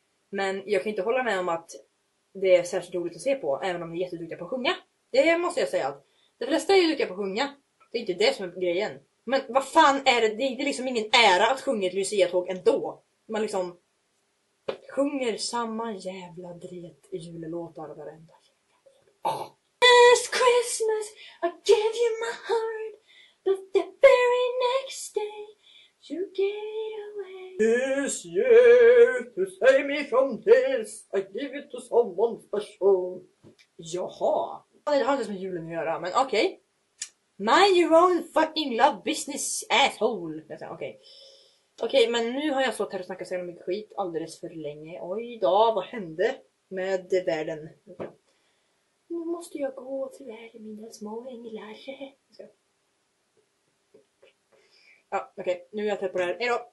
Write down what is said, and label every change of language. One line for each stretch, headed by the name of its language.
Swedish: Men jag kan inte hålla med om att det är särskilt roligt att se på, även om ni är jätteduktiga på att sjunga. Det måste jag säga att de flesta är ju duktiga på att sjunga. Det är inte det som är grejen. Men vad fan är det? Det är liksom ingen ära att sjunga ett Lucia-tåg ändå. Man liksom sjunger samma jävla dret i julelåtar varenda.
English: Last Christmas I gave you my heart, but the very next day you gave it away. This year to save me from this, I give it to someone special.
Swedish: Jaha. Det har inte med julen att göra, men okej. Okay.
English: Mind your own fucking love business, asshole.
Swedish: Okej, men nu har jag stått här och snackat så mycket skit alldeles för länge. Oj då, vad hände med världen? Nu måste jag gå till världen, mina små änglar. Ja, okej. Nu är jag trött på det här. Hej då.